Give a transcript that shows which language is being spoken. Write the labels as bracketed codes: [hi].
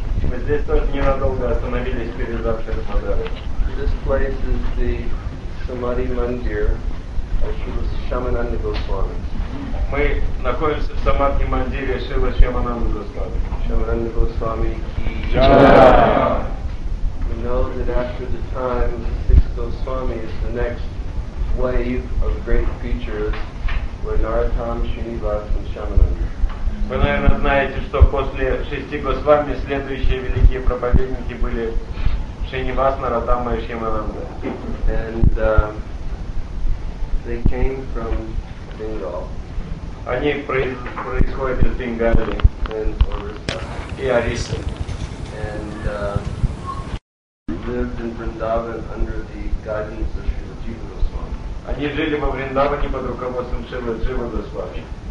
[ru] Мы здесь тоже ненадолго остановились перед Радха Дамодару. [en] This place is the Samadhi Mandir of Shrila Shyamananda Goswami. [ru] Мы находимся в Самадхи Мандире Шрила Шьямананда Госвами. [en] Shyamananda Goswami. We know that after the time of the six Goswamis, the next wave of great preachers were Narottam, Srinivas, and Shyamananda. [ru] Вы, наверное, знаете, что после шести Госвами следующие великие проповедники были Шринивас, Нараттама и Шьямананда. [en] And they came from Bengal. [ru] Они происходят из Бенгали. [en] And Orissa. [ru] И Орисса. [en] And lived in Vrindavan under the guidance of Srila Jiva Goswami. [ru] Они жили во Вриндаване под руководством Шрила Джива Госвами.